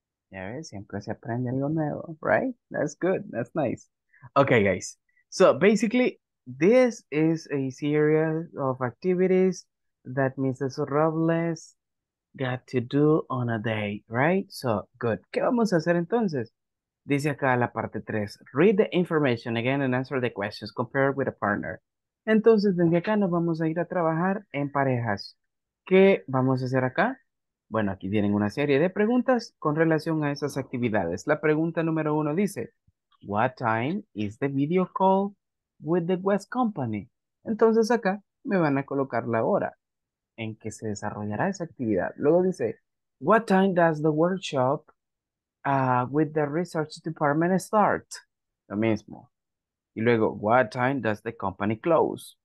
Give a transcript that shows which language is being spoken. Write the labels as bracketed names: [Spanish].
[Spanish] Ya ves, siempre se aprende algo nuevo, right? [English] That's good, that's nice. Okay, guys. So, basically, this is a series of activities that Mrs. Robles got to do on a day, right? So, good. [Spanish] ¿Qué vamos a hacer entonces? Dice acá la parte 3. [English] Read the information again and answer the questions. Compare with a partner. [Spanish] Entonces, desde acá nos vamos a ir a trabajar en parejas. ¿Qué vamos a hacer acá? Bueno, aquí tienen una serie de preguntas con relación a esas actividades. La pregunta número 1 dice, [English] what time is the video call with the West Company? [Spanish] Entonces acá me van a colocar la hora en que se desarrollará esa actividad. Luego dice, [English] what time does the workshop with the research department start? [Spanish] Lo mismo. Y luego, [English] what time does the company close?